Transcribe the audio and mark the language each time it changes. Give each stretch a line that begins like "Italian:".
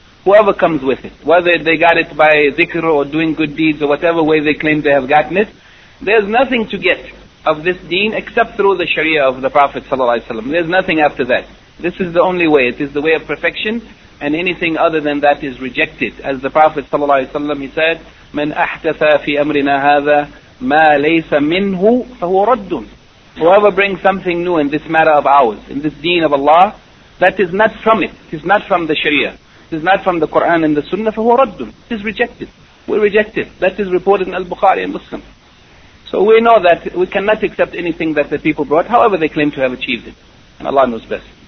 English: Whoever comes with it, whether they got it by dhikr or doing good deeds or whatever way they claim they have gotten it, there's nothing to get of this deen except through the sharia of the Prophet ﷺ. There's nothing after that. This is the only way. It is the way of perfection. And anything other than that is rejected. As the Prophet ﷺ, he said,
Arabic: مَنْ أَحْدَثَ فِي أَمْرِنَا هَذَا مَا لَيْسَ مِنْهُ فَهُوَ رَدٌّ.
English: Whoever brings something new in this matter of ours, in this deen of Allah, that is not from it. It is not from the sharia. It is not from the Qur'an and the sunnah.
Arabic: فَهُوَ رَدٌّ.
English: It is rejected. We reject it. That is reported in Al-Bukhari and Muslim. So we know that we cannot accept anything that the people brought, however they claim to have achieved it. And Allah knows best.